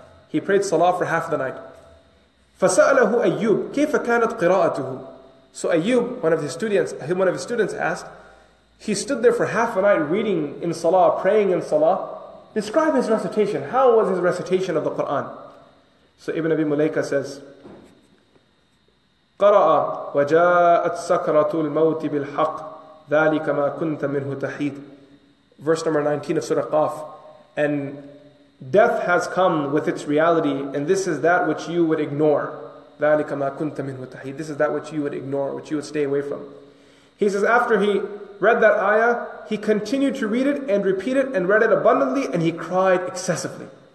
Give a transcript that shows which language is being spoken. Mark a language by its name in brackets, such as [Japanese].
[English] He prayed salah for half of the night. [Arabic] فَسَأَلَهُ أَيُّوبُ كَيْفَ كَانَتْ قِرَاءَتُهُ. [English] So Ayyub, one of his students asked, He stood there for half a night reading in salah, praying in salah. Describe his recitation. How was his recitation of the Quran? So Ibn Abi Mulaika says, [Arabic] قَرَأَ وَجَاءَتْ سَكْرَةُ الْمَوْتِ بِالْحَقِّ ذَلِكَ مَا كُنْتَ مِنْهُ تَحِيدٍ. [English] Verse number 19 of Surah Qaf. And death has come with its reality, and this is that which you would ignore. [Arabic] ذَلِكَ مَا كُنْتَ مِنْهُ تَحِيدٍ. [English] This is that which you would ignore, which you would stay away from. He says, after he read that ayah, he continued to read it and repeat it and read it abundantly, and he cried excessively.